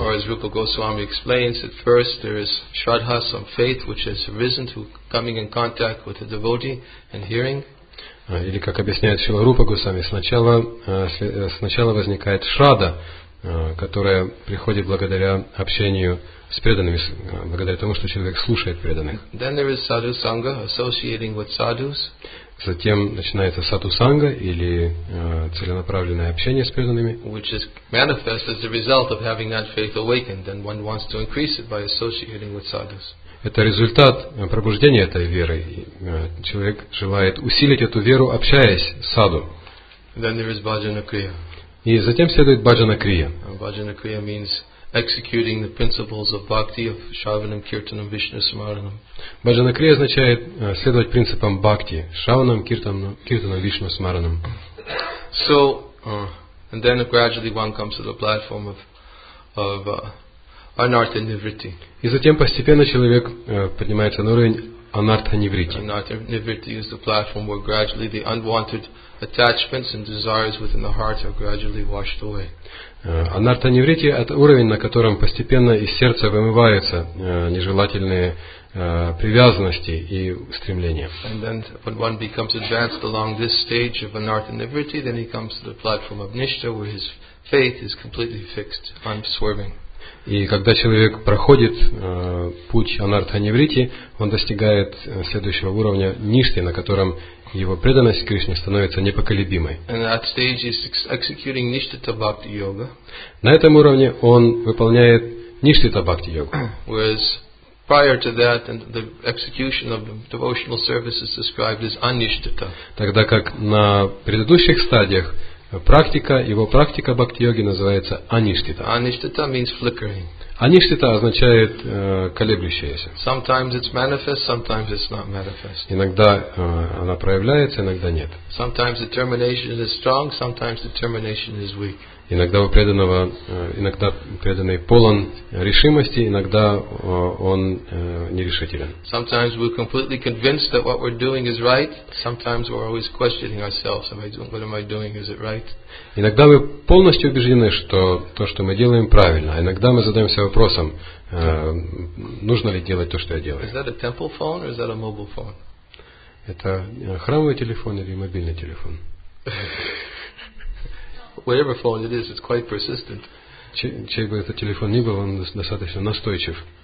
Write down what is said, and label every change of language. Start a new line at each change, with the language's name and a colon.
English: Or as Rupa Goswami explains, at first there is shraddha, some faith which has arisen through coming in contact with a devotee and hearing.
Russian: Или как объясняет Шрила Рупа Госвами, сначала возникает шрада, которая приходит благодаря общению с преданными, благодаря тому, что человек слушает преданных.
English: Then there is sadhu sangha, associating with sadhus.
Russian: Затем начинается саду санга или целенаправленное общение с преданными.
English: Which is manifest as the result of having that faith awakened, and one wants to increase it by associating with sadhus.
Russian: Это результат пробуждения этой веры. Человек желает усилить эту веру, общаясь с саду.
English: Then there is bhajana kriya.
Russian: И затем следует bhajana kriya.
English: Bhajana kriya means executing the principles of bhakti of shravanam, kirtanam, vishnu smaranam.
Russian: Bhajana kriya означает следовать принципам бхакти, шраванам, киртанам, вишну смаранам.
English: So, and then gradually one comes to the platform of anartha nivritti.
Russian: И затем постепенно человек поднимается на уровень анартха нивритти.
English: Anartha nivritti is the platform where gradually the unwanted attachments and desires within the heart are gradually washed away.
Russian: Анартха нивритти — это уровень, на котором постепенно из сердца вымываются нежелательные привязанности и стремления.
English: And then when one becomes advanced along this stage of anartha nivritti, then he comes to the platform of nishtha, where his faith is completely fixed, unswerving.
Russian: И когда человек проходит путь анартха нивритти, он достигает следующего уровня ништхи, на котором его преданность Кришне становится непоколебимой.
English: And that stage is executing nishtha bhakti yoga.
Russian: На этом уровне он выполняет ништхита бхакти йогу.
English: Whereas prior to that, and the execution of devotional service is described as anishtita.
Russian: Тогда как на предыдущих стадиях практика, его практика бхакти-йоги называется аништита.
English: Аништита means flickering.
Russian: Аништита означает колеблющееся.
English: Sometimes it's manifest, sometimes it's not manifest.
Russian: Иногда она проявляется, иногда нет.
English: Sometimes determination is strong, sometimes determination is weak.
Russian: Иногда у преданного, иногда преданный полон решимости, иногда он нерешителен.
English: Sometimes we're completely convinced that what we're doing is right. Sometimes we're always questioning ourselves. What am I doing? Is it right?
Russian: Иногда мы полностью убеждены, что то, что мы делаем, правильно. А иногда мы задаемся вопросом, нужно ли делать то, что я делаю.
English: Is that a temple phone or is that a mobile phone?
Russian: Это храмовый телефон или мобильный телефон?
English: Whatever phone it is, it's quite persistent.
Russian: Чей бы этот телефон ни был, он достаточно настойчив.